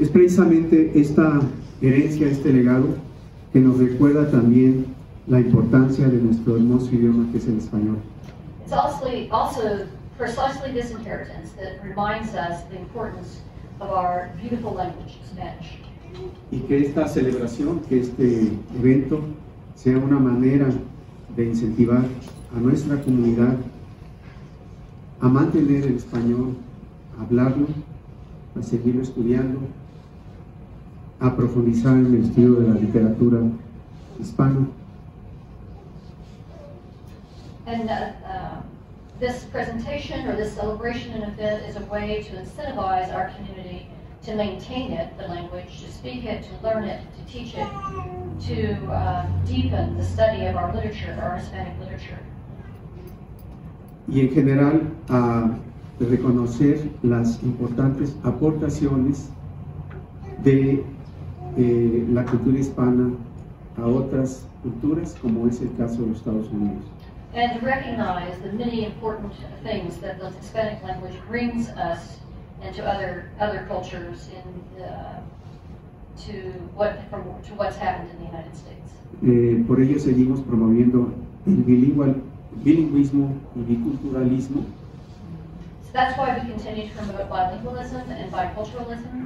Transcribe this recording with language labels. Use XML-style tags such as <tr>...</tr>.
<es>Es precisamente esta herencia, este legado, que nos recuerda también la importancia de nuestro hermoso idioma, que es el español.</es> <en>It's also precisely this inheritance that reminds us the importance of our beautiful language, Spanish.</en> <es>Y que esta celebración, que este evento, sea una manera de incentivar a nuestra comunidad a mantener el español, a hablarlo, a seguir estudiando, a profundizar en el estudio de la literatura hispana.</es> <en>And this presentation or this celebration and event is a way to incentivize our community to maintain it, the language, to speak it, to learn it, to teach it, to deepen the study of our literature, our Hispanic literature.</en> <es>Y en general, de reconocer las importantes aportaciones de la cultura hispana a otras culturas, como es el caso de los Estados Unidos.</es> <en>And recognize the many important things that the Hispanic language brings us into other cultures in to what's happened in the United States.</en> <es>Por ello seguimos promoviendo el bilingüismo y biculturalismo.</es> <en>That's why we continue to promote bilingualism and biculturalism.</en>